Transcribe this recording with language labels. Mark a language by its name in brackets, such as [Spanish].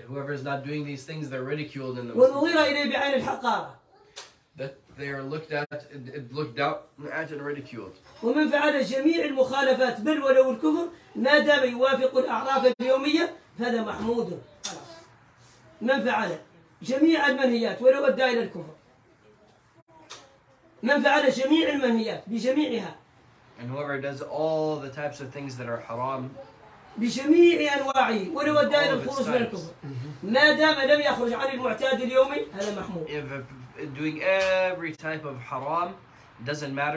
[English] whoever is not doing these things, they're ridiculed in the Muslim. That they are looked down at and ridiculed. [Arabic] ومن فعل جميع المخالفات بل ولو الكفر ما دام يوافق الأعراف اليومية فهذا محمود. من فعل جميع المنهيات ولو ادى الى الكفر من فعل جميع المنهيات بجميعها [English] and whoever does all the types of things that are haram [Arabic] بجميع انواعه ولو ادى الى الخروج من الكفر ما دام لم يخرج عن المعتاد اليومي هذا محمود [English] if doing every type of haram doesn't matter